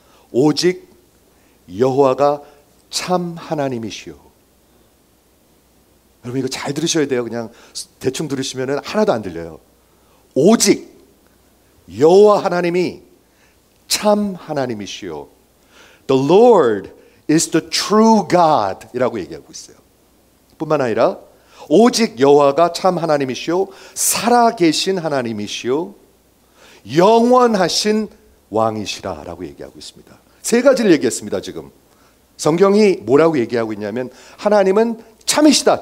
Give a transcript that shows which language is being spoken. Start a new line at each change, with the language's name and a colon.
Korean: 오직 여호와가 참 하나님이시오. 여러분 이거 잘 들으셔야 돼요. 그냥 대충 들으시면 하나도 안 들려요. 오직 여호와 하나님이 참 하나님이시오.
English: The Lord is the true God
Korean: 이라고 얘기하고 있어요. 뿐만 아니라 오직 여호와가 참 하나님이시오, 살아계신 하나님이시오, 영원하신 왕이시라 라고 얘기하고 있습니다. 세 가지를 얘기했습니다. 지금 성경이 뭐라고 얘기하고 있냐면 하나님은 참이시다.